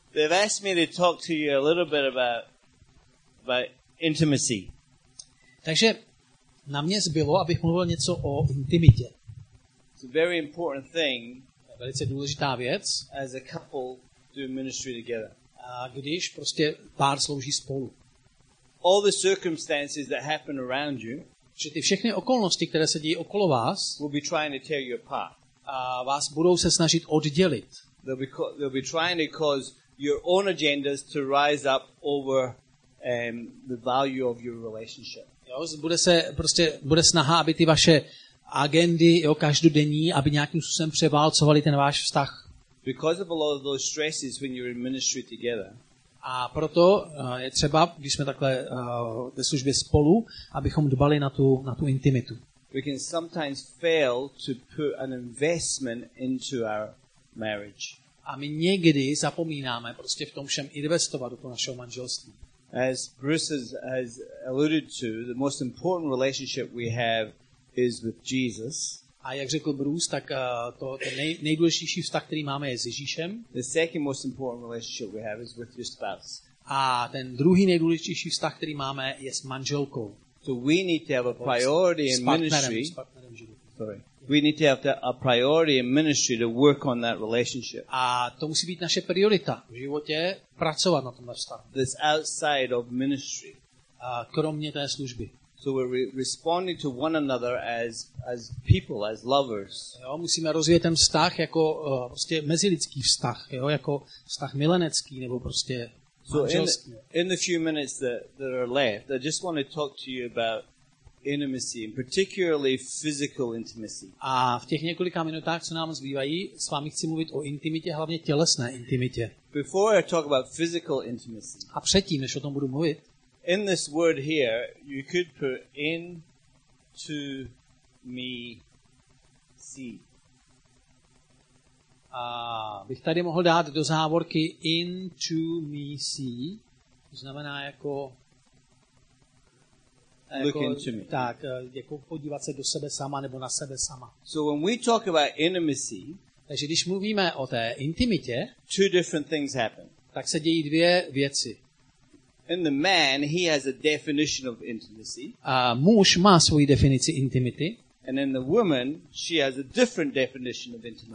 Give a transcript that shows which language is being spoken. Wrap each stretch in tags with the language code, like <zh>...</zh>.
<en>They've asked me to talk to you a little bit about intimacy.</en> <cs>Takže na mě zbylo, abych mluvil něco o intimitě.</cs> <en>It's a very important thing.</en> <cs>Velice důležitá věc.</cs> <en>As a couple do ministry together.</en> <cs>A když prostě pár slouží spolu.</cs> <en>All the circumstances that happen around you.</en> <cs>Že ty všechny okolnosti, které se dějí okolo vás,</cs> <en>will be trying to tear you apart.</en> <cs>A vás budou se snažit oddělit.</cs> <en>They'll be trying to cause your own agendas to rise up over the value of your relationship.</en> <cs>Jo, bude snaha, aby ty vaše agendy, jo, každodenní, aby nějakým způsobem převálcovaly ten váš vztah.</cs> <en>Because of a lot of those stresses when you're in ministry together.</en> <cs>A proto je třeba, když jsme takhle ve službě spolu, abychom dbali na tu intimitu.</cs> <en>We can sometimes fail to put an investment into our marriage.</en> <cs>A my někdy zapomínáme prostě v tom všem investovat do toho našeho manželství.</cs> <en>As Bruce has alluded to, the most important relationship we have is with Jesus.</en> <cs>A jak řekl Bruce, tak to ten nejdůležitější vztah, který máme, je s Ježíšem.</cs> <en>The second most important relationship we have is with your spouse.</en> <cs>A ten druhý nejdůležitější vztah, který máme, je s manželkou.</cs> <en>So we need to have a priority in ministry. We need to have a priority in ministry to work on that relationship.</en> <cs>A to musí být naše priorita v životě, pracovat na tomhle vztahu.</cs> <en>This outside of ministry.</en> <cs>A kromě té služby.</cs> <en>So we're responding to one another as people, as lovers.</en> <cs>Jo, musíme rozvíjet ten vztah jako prostě mezilidský vztah, jo, jako vztah milenecký nebo prostě manželský.</cs> <en>So in the few minutes that are left, I just want to talk to you about intimacy, particularly physical intimacy.</en> <cs>A v těch několika minutách, co nám zbývají, s vámi chci mluvit o intimitě, hlavně tělesné intimitě.</cs> <en>Before I talk about physical intimacy.</en> <cs>A předtím, než o tom budu mluvit.</cs> <en>In this word here, you could put in to me see.</en> <cs>A bych tady mohl dát do závorky</cs> <en>in to me see,</en> <cs>to znamená jako</cs> <en>look into me.</en> <cs>Tak, jako podívat se do sebe sama nebo na sebe sama.</cs> <en>So when we talk about intimacy,</en> <cs>takže když mluvíme o té intimitě,</cs> <en>two different things happen.</en> <cs>Tak se dějí dvě věci.</cs> <en>In the man, he has a definition of intimacy.</en> <cs>A muž má svoji definici intimity.</cs> <en>And in the woman, she has a different definition of intimacy.</en>